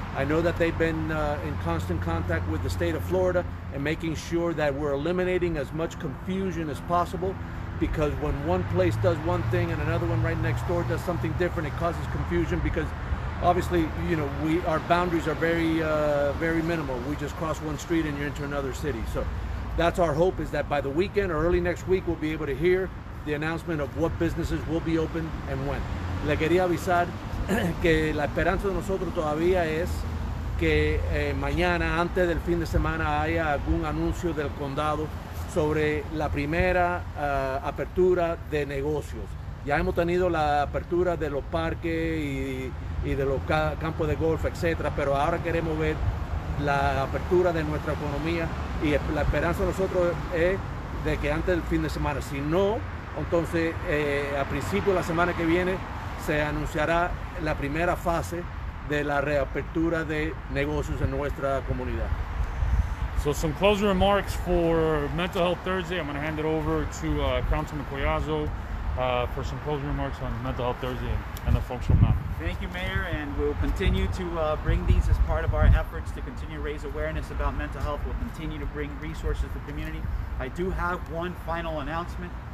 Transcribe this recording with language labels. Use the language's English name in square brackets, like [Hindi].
[English] I know that they've been in constant contact with the state of Florida and making sure that we're eliminating as much confusion as possible, because when one place does one thing and another one right next door does something different, it causes confusion, because obviously, you know, our boundaries are very, very minimal. We just cross one street and you're into another city. So that's our hope, is that by the weekend or early next week, we'll be able to hear the announcement of what businesses will be open and when. [Spanish] Le quería avisar que la esperanza de nosotros todavía es que mañana, antes del fin de semana, haya algún anuncio del condado sobre la primera apertura de negocios. Ya hemos tenido la apertura de los parques y de los campos de golf, etcétera, pero ahora queremos ver la apertura de nuestra economía, y la esperanza de nosotros es de que antes del fin de semana. Si no, entonces a principio de la semana que viene se anunciará la primera fase de la reapertura de negocios en nuestra comunidad. [English] So some closing remarks for Mental Health Thursday. I'm going to hand it over to Councilman Collazo for some closing remarks on Mental Health Thursday and the folks from now. Thank you, Mayor, and we'll continue to bring these as part of our efforts to continue to raise awareness about mental health. We'll continue to bring resources to the community. I do have one final announcement.